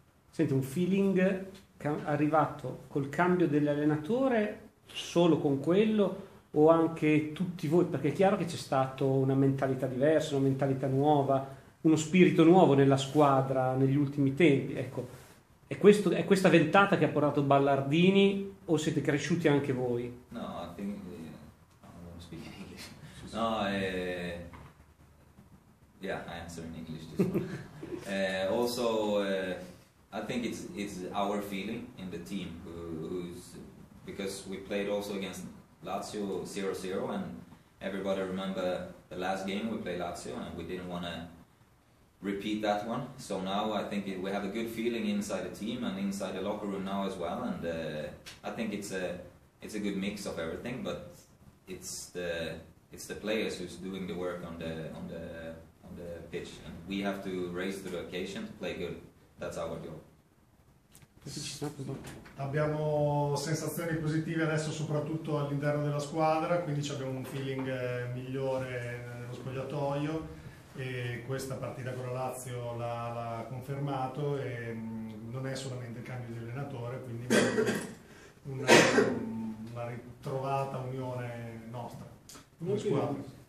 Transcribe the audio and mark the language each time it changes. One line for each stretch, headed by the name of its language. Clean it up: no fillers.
Italian: Senti, un feeling arrivato col cambio dell'allenatore, solo con quello, o anche tutti voi? Perché è chiaro che c'è stata una mentalità diversa, una mentalità nuova, uno spirito nuovo nella squadra negli ultimi tempi. Ecco, è questa ventata che ha portato Ballardini, o siete cresciuti anche voi?
English: No, I think I don't want to speak English.
Italian: Sì.
English: No, yeah, I answer in English this one. Also, I think it's our feeling in the team because we played also against Lazio 0-0 and everybody remember the last game we played Lazio and we didn't want to repeat that one. So now I think we have a good feeling inside the team and inside the locker room now as well, and I think it's a good mix of everything, but it's the players who's doing the work on the pitch, and we have to raise to the occasion to play good. That's our job.
Italian: Abbiamo sensazioni positive adesso, soprattutto all'interno della squadra, quindi abbiamo un feeling migliore nello spogliatoio e questa partita con la Lazio l'ha confermato e non è solamente il cambio di allenatore, quindi una ritrovata unione nostra come squadra.